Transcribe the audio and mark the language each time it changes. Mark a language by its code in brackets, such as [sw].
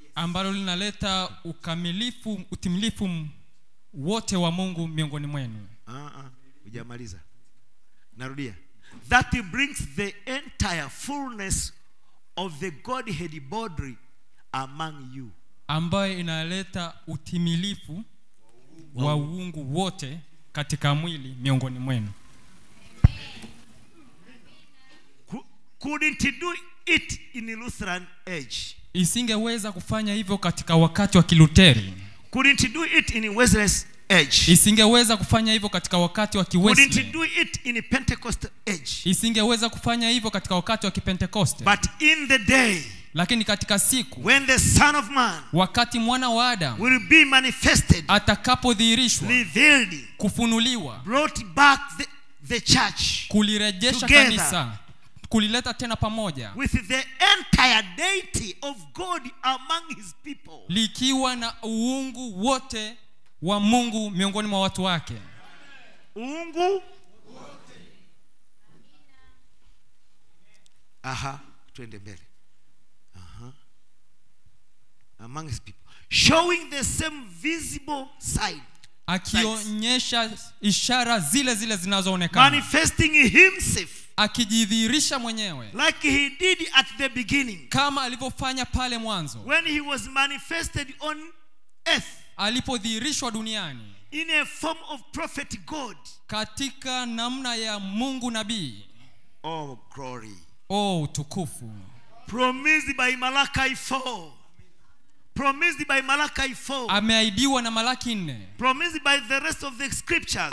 [sw] Ambalo linaleta ukamilifu, utimilifu wote wa Mungu miongoni mwenu. Ujamaliza. Narudia. [en] That brings the entire fullness of the Godhead bodily among you. [sw] Ambayo inaleta utimilifu wa uungu wote katika mwili miongoni mwenu. [en] Couldn't do it in the Lutheran age. [sw] Isingeweza kufanya hivyo katika wakati wa Kiluteri. [en] Couldn't do it in Wesley's age. [sw] Isingeweza kufanya hivyo katika wakati wa Kiwesley. [en] Couldn't do it in Pentecost age. [sw] Isingeweza kufanya hivyo katika wakati wa Kipentecost. [en] But in the day, [sw] lakini katika siku, [en] when the Son of Man, [sw] wakati mwana wa Adam, [en] will be manifested, [sw] atakapodhihirishwa, [en] revealed, [sw] kufunuliwa, [en] brought back the church, [sw] kulirejesha kanisa kulileta tena pamoja [en] with the entire deity of God among his people, [sw] likiwa na uungu wote wa Mungu miongoni mwa watu wake. Uungu wote. Aha, twende mbele. [en] Among his people, showing the same visible side, [sw] akionyesha ishara zile zile zinazoonekana, [en] manifesting himself, [sw] akijidhihirisha mwenyewe, [en] like he did at the beginning, [sw] kama alivyofanya pale mwanzo, [en] when he was manifested on earth, [sw] alipodhihirishwa duniani, [en] in a form of prophet God, [sw] katika namna ya Mungu nabii. [en] Oh glory, [sw] oh utukufu. [en] Promised by Malachi 4, promised by Malachi 4, [sw] ameahidiwa na Malaki 4, [en] promised by the rest of the scriptures,